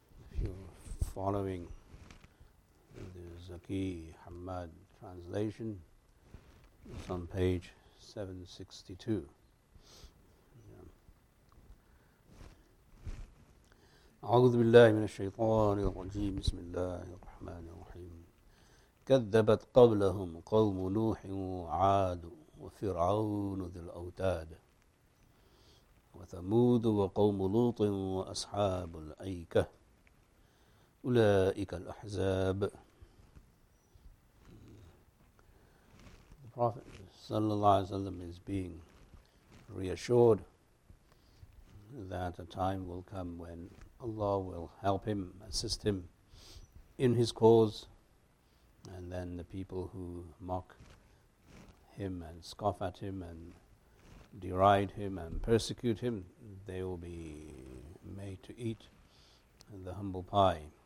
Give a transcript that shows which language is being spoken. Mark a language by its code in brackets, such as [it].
[en] If you're following the Zaki Hamad translation, it's on page 762. [ar] أعوذ بالله من الشيطان الرجيم بسم الله الرحمن الرحيم كذبت قبلهم قوم نوح وعاد وفرعون ذي الأوتاد وثمود وقوم لوط وأصحاب الأيكة أولئك الأحزاب. [en] The Prophet sallallahu alaihi wasallam is being reassured that a time will come when Allah will help him, assist him in his cause. And then the people who mock him and scoff at him and deride him and persecute him, they will be made to eat the humble pie.